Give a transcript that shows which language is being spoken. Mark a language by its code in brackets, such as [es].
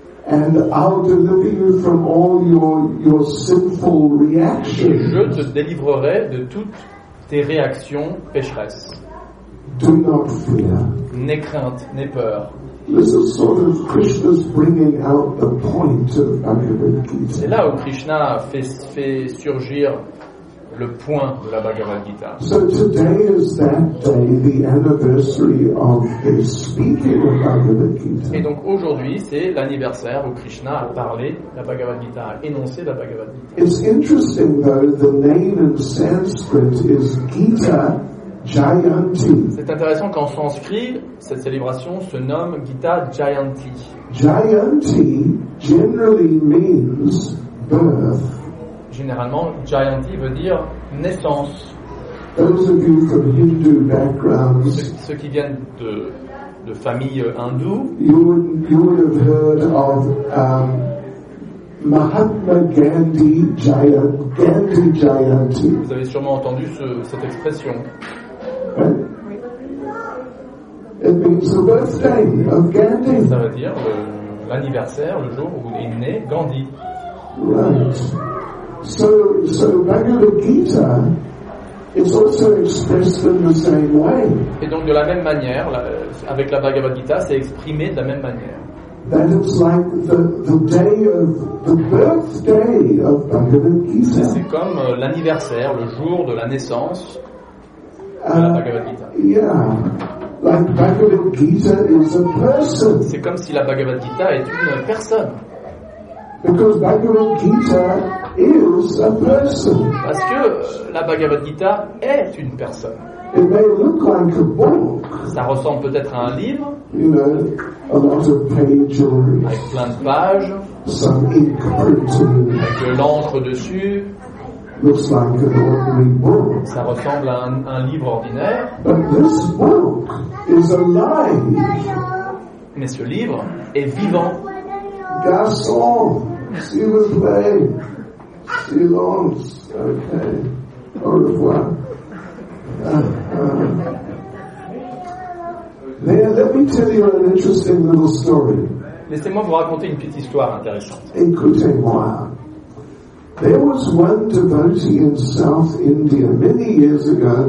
[en] And I'll deliver you from all your sinful reactions. [fr] Je te délivrerai de toutes tes réactions pécheresses. [en] Do not fear. [fr] N'aie crainte, n'aie peur. [en] This is sort of Krishna's bringing out the point of Bhagavad Gita. [fr] C'est là où Krishna fait surgir le point de la Bhagavad Gita. [en] So today is that day, the anniversary of his speaking of Bhagavad Gita. [fr] Et donc aujourd'hui, c'est l'anniversaire où Krishna a parlé la Bhagavad Gita, a énoncé la Bhagavad Gita. [en] It's interesting though, the name in Sanskrit is Gita. [fr] C'est intéressant qu'en sanskrit, cette célébration se nomme Gita Jayanti. [en] Jayanti generally means birth. [fr] Généralement, Jayanti veut dire naissance. [en] Those of you from Hindu backgrounds, [fr] ceux qui viennent de familles hindoues, [en] you would have heard of Mahatma Gandhi Gandhi Jayanti. [fr] Vous avez sûrement entendu cette expression. [en] It means the birthday of Gandhi. [fr] Ça veut dire l'anniversaire, le jour où est né Gandhi. [en] Right. So Bhagavad Gita is also expressed in the same way. [fr] Et donc de la même manière, avec la Bhagavad Gita, c'est exprimé de la même manière. [en] That is like the day of the birthday of Bhagavad Gita. [fr] C'est comme l'anniversaire, le jour de la naissance. [en] Like Bhagavad Gita is a person. [fr] C'est comme si la Bhagavad Gita est une personne. [en] Because Bhagavad Gita is a person. [fr] Parce que la Bhagavad Gita est une personne. [en] It may look like a book. [fr] Ça ressemble peut-être à un livre. [en] You know, a lot of pages. [fr] Avec plein de pages. [en] Some ink written. [fr] Avec de l'encre dessus. [en] Looks like an ordinary book. [fr] Ça ressemble à un livre ordinaire. [en] But this book is alive. [fr] Mais ce livre est vivant. Garçon, s'il vous plaît. Silence. Okay. Au revoir. [en] Let me tell you an interesting little story. [fr] Laissez-moi vous raconter une petite histoire intéressante. Écoutez-moi. [en] There was one devotee in South India many years ago.